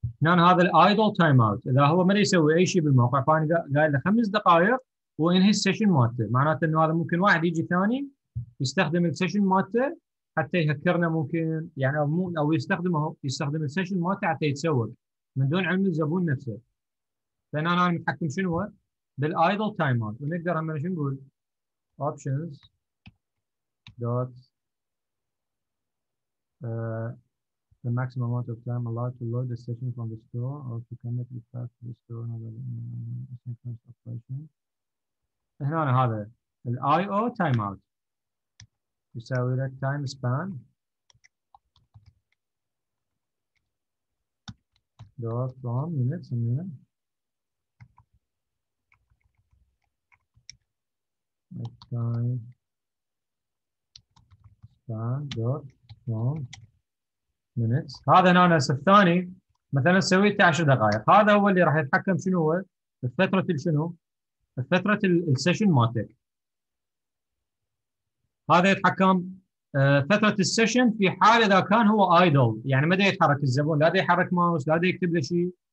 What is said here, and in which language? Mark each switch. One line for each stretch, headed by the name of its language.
Arabic: هنا أنا هذا الايدل تايم اوت، إذا هو ما يسوي أي شيء بالموقع فأنا قايل له خمس دقائق وينهي السيشن مالته، معناته انه هذا ممكن واحد يجي ثاني يستخدم السيشن مالته حتى يهكرنا ممكن يعني، او مو او يستخدمه يستخدم السيشن مالته حتى يتسوق من دون علم الزبون نفسه. فانا متحكم شنو بالايدل تايم اوت، ونقدر هم شنو نقول اوبشنز دوت
English: the maximum amount of time allowed to load the session from the store or to commit the task to the store and other asynchronous operation.
Arabic: هنا أنا هذا ال
English: IO timeout
Arabic: يساوي لك
English: time span dot from minutes and minute time span dot from minutes.
Arabic: هذا هنا الثاني مثلا سويته 10 دقائق، هذا هو اللي راح يتحكم شنو هو الفترة اللي شنو الفترة السيشن مالتك. هذا يتحكم فترة السيشن في حال اذا كان هو ايدل، يعني ما يتحرك الزبون، لا يحرك ماوس، لا يكتب له شيء.